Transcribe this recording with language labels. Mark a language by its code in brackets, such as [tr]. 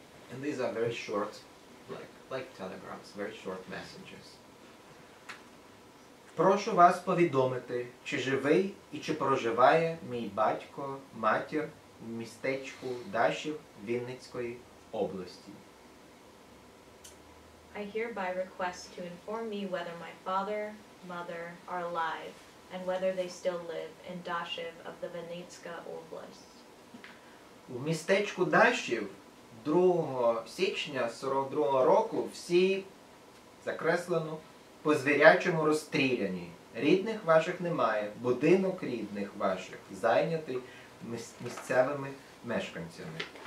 [en] And these are very short, like telegrams, very short messages. [uk] Прошу вас повідомити, чи живий і чи проживає мій батько, матір в містечку Дашів Вінницької області. [en] I hereby request to inform me whether my father, mother are alive and whether they still live in Dashiv of the Vinnytska Oblast. [uk] У містечку Дашів 2 січня 42 року всі закреслено по звірячому розстріляні. Рідних ваших немає, будинок рідних ваших зайнятий місцевими мешканцями.